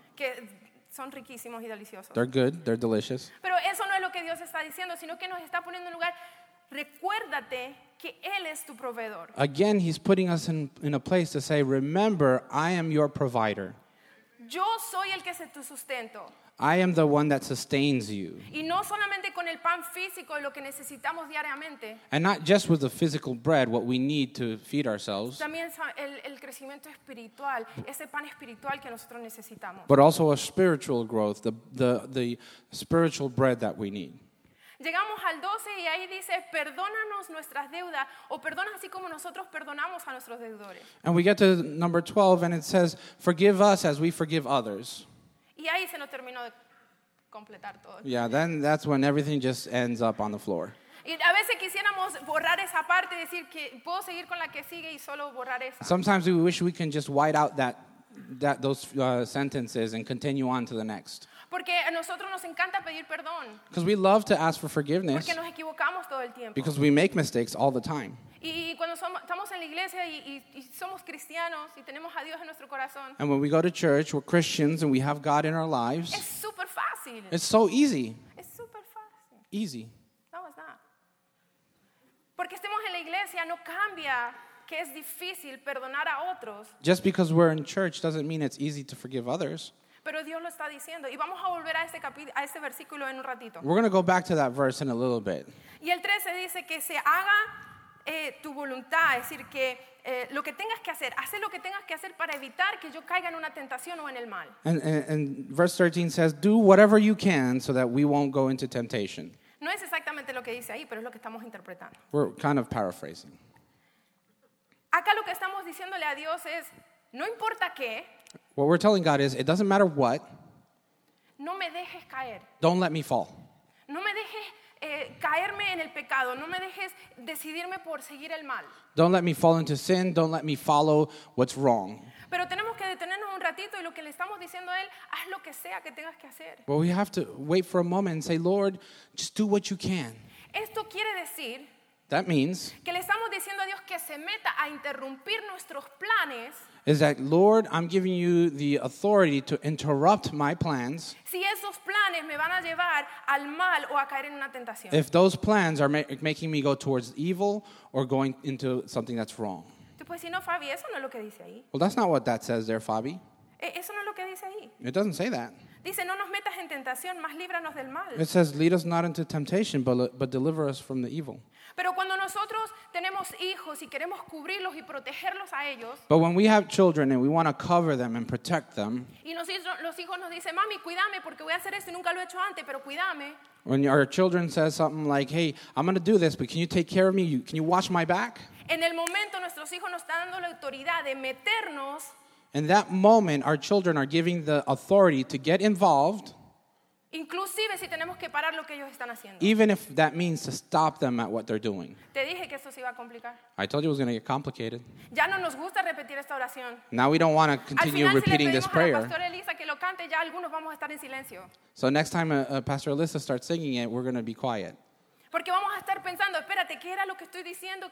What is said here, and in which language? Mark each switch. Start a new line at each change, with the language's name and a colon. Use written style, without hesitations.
Spanish: Que son riquísimos y deliciosos.
English: They're good, they're delicious.
Spanish: Pero eso no es lo que Dios está diciendo, sino que nos está poniendo en lugar. Recuérdate que Él es tu proveedor.
English: Again, he's putting us in a place to say, remember, I am your provider.
Spanish: Yo soy el que es tu sustento.
English: I am the one that sustains you.
Spanish: Y no solamente con el pan físico, lo que necesitamos diariamente.
English: And not just with the physical bread, what we need to feed ourselves.
Spanish: También el crecimiento espiritual, ese pan espiritual que nosotros necesitamos.
English: But also a spiritual growth, the spiritual bread that we need.
Spanish: Llegamos al 12 y ahí dice, perdónanos nuestras deudas o perdona así como nosotros perdonamos a nuestros deudores.
English: And we get to number 12 and it says, forgive us as we forgive others.
Spanish: Y ahí se nos terminó de completar todo.
English: Yeah, then that's when everything just ends up on the floor.
Spanish: Y a veces quisiéramos borrar esa parte, decir que puedo seguir con la que sigue y solo borrar esa.
English: Sometimes we wish we can just white out those sentences and continue on to the next.
Spanish: Porque a nosotros nos encanta pedir perdón.
English: Because we love to ask for forgiveness.
Spanish: Porque nos equivocamos todo el tiempo.
English: Because we make mistakes all the time.
Spanish: Y cuando estamos en la iglesia y somos cristianos y tenemos a Dios en nuestro corazón.
English: And when we go to church, we're Christians and we have God in our lives.
Spanish: Es super fácil.
English: It's so easy.
Spanish: Es super fácil.
English: Easy. No, it's not.
Spanish: Porque estemos en la iglesia no cambia que es difícil perdonar a otros.
English: Just because we're in church doesn't mean it's easy to forgive others.
Spanish: Pero Dios lo está diciendo. Y vamos a volver a este versículo en un ratito.
English: We're going to go back to that verse in a little bit.
Spanish: Y el 13 dice que se haga tu voluntad. Es decir, que lo que tengas que hacer, haz lo que tengas que hacer para evitar que yo caiga en una tentación o en el mal.
English: And verse 13 says, do whatever you can so that we won't go into temptation.
Spanish: No es exactamente lo que dice ahí, pero es lo que estamos interpretando.
English: We're kind of paraphrasing.
Spanish: Acá lo que estamos diciéndole a Dios es, no importa qué.
English: What we're telling God is, it doesn't matter what.
Spanish: No me dejes caer.
English: Don't let me fall.
Spanish: No me dejes caerme en el pecado. No me dejes decidirme por seguir el mal.
English: Don't let me fall into sin. Don't let me follow what's wrong.
Spanish: Pero tenemos que detenernos un ratito y lo que le estamos diciendo a Él, haz lo que sea que tengas que hacer.
English: Well, we have to wait for a moment and say, Lord, just do what you can.
Spanish: Esto quiere decir...
English: That means
Spanish: que le estamos diciendo a Dios que se meta a interrumpir nuestros planes.
English: Is that, Lord, I'm giving you the authority to interrupt my plans.
Spanish: Si esos planes me van a llevar al mal o a caer en una tentación.
English: If those plans are making me go towards evil or going into something that's wrong.
Spanish: Tú puedes decir, no, Fabi, eso no es lo que dice ahí.
English: Well, that's not what that says there, Fabi.
Spanish: Eso no es lo que dice ahí.
English: It doesn't say that.
Spanish: Dice, no nos metas en tentación, más líbranos del mal.
English: It says, lead us not into temptation, but deliver us from the evil.
Spanish: Pero cuando nosotros tenemos hijos y queremos cubrirlos y protegerlos a ellos.
English: But when we have children and we want to cover them and protect them.
Spanish: Y los hijos nos dicen, mami, cuídame porque voy a hacer esto y nunca lo he hecho antes, pero cuídame.
English: When our children say something like, hey, I'm going to do this, but can you take care of me? Can you watch my back?
Spanish: En el momento nuestros hijos nos están dando la autoridad de meternos.
English: In that moment, our children are giving the authority to get involved.
Spanish: Inclusive si tenemos que parar lo que ellos están haciendo.
English: Even if that means to stop them at what they're doing.
Spanish: Te dije que eso se iba a complicar.
English: I told you it was going to get complicated.
Spanish: Ya no nos gusta repetir esta oración.
English: Now we don't want to continue
Spanish: al final,
English: repeating
Spanish: si le pedimos
English: this prayer.
Spanish: A la pastora Elisa que lo cante, ya algunos vamos a estar en silencio.
English: So next time Pastor Elisa starts singing it, we're going to be quiet.
Spanish: Porque vamos a estar pensando, espérate, ¿qué era lo que estoy diciendo?